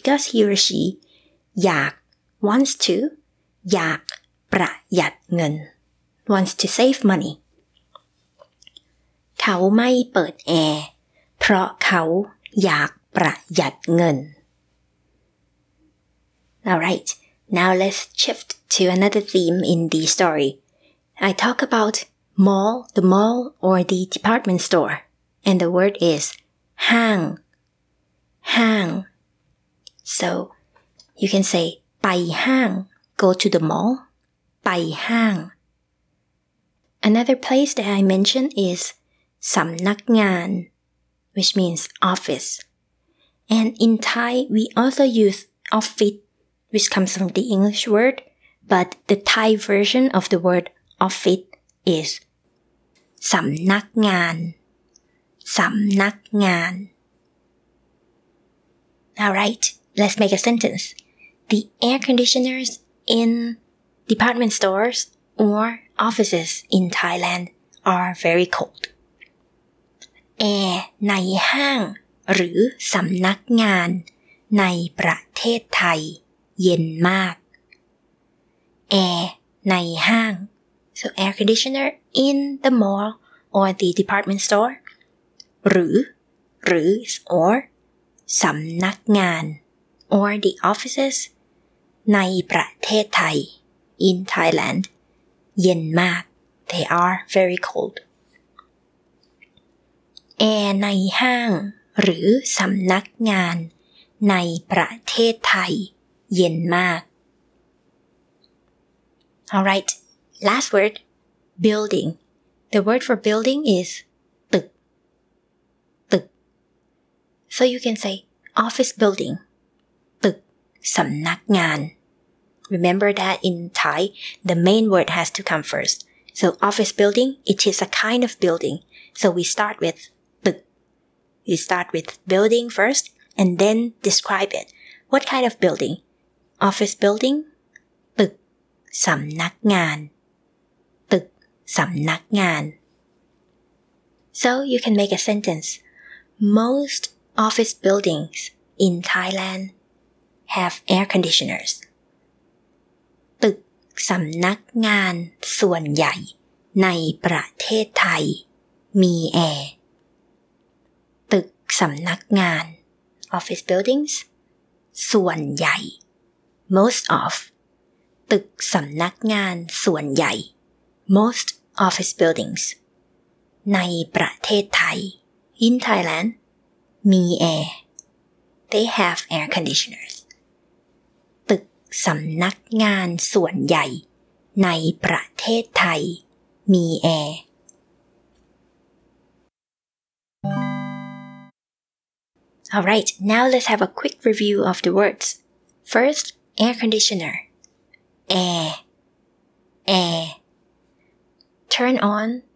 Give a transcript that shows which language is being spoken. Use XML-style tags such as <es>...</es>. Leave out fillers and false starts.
<en>he or she wants to</en> <th>ประหยัดเงิน</th> <en>wants to save money</en> <th>เขาไม่เปิดแอร์เพราะเขาอยากประหยัดเงิน</th> <en>Alright, now let's shift to another theme in the story. I talk aboutMall, the mall or the department store. And the word is hang. Hang. So you can say</en> <th>ไปห้าง</th> <en>go to the mall.</en> <th>ไปห้าง</th> <en>Another place that I mentioned is</en> <th>สำนักงาน</th> <en>which means office. And in Thai, we also use office, which comes from the English word, but the Thai version of the word office is</en> <th>สำนักงานสำนักงาน</th> <en>Alright, let's make a sentence. The air conditioners in department stores or offices in Thailand are very cold.</en> <th>แอร์ในห้างหรือสำนักงานในประเทศไทยเย็นมากแอร์ในห้าง</th> <en>So air conditioner in the mallOr the department store,</en> <th>หรือ</th> <en>or</en> <th>สำนักงาน</th> <en>or the offices</en> <th>ในประเทศไทย</th> <en>in Thailand</en> <th>เย็นมาก</th> <en>They are very cold.</en> <th>แอร์ในห้างหรือสำนักงานในประเทศไทยเย็นมาก</th> <en>All right. Last word. Building. The word for building is</en> <th>ตึกตึก</th> <en>So you can say office building.</en> <th>ตึกสำนักงาน</th> <en>Remember that in Thai, the main word has to come first. So office building, it is a kind of building. So we start with</en> <th>ตึก</th> <en>We start with building first and then describe it. What kind of building? Office building,</en> <th>ตึกสำนักงานตึกสำนักงาน</th> <en>So you can make a sentence. Most office buildings in ThailandHave air conditioners.</en> <th>ตึกสำนักงานส่วนใหญ่ในประเทศไทยมีแอร์ตึกสำนักงาน</th> <en>office buildings</en> <th>ส่วนใหญ่</th> <en>most of</en> <th>ตึกสำนักงานส่วนใหญ่</th> <en>most office buildings</en> <th>ในประเทศไทย</th> <en>in Thailand</en> <th>มีแอร์</th> <en>they have air conditioners</en> <th>สำนักงานส่วนใหญ่ในประเทศไทยมีแอร์</th> <en>Alright, now let's have a quick review of the words. First, air conditioner. Air. Air. Turn on.</en>